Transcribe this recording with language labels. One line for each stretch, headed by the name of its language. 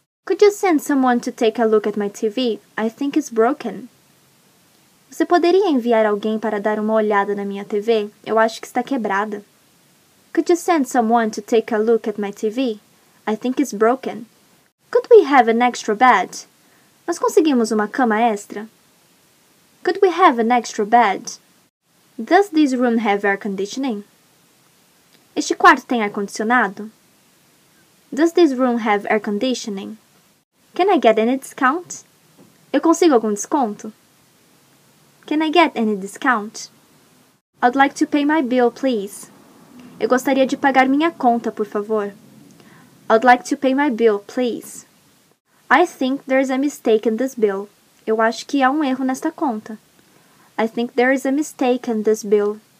English: Could you send someone to take a look at my TV? I think it's broken.
Portuguese: Você poderia enviar alguém para dar uma olhada na minha TV? Eu acho que está quebrada.
English: Could you send someone to take a look at my TV? I think it's broken. Could we have an extra bed?
Portuguese: Nós conseguimos uma cama extra?
English: Could we have an extra bed? Does this room have air conditioning?
Portuguese: Este quarto tem ar-condicionado?
English: Does this room have air conditioning? Can I get any discount?
Portuguese: Eu consigo algum desconto?
English: Can I get any discount? I'd like to pay my bill, please.
Portuguese: Eu gostaria de pagar minha conta, por favor.
English: I'd like to pay my bill, please. I think there's a mistake in this bill.
Portuguese: Eu acho que há um erro nesta conta.
English: I think there is a mistake in this bill.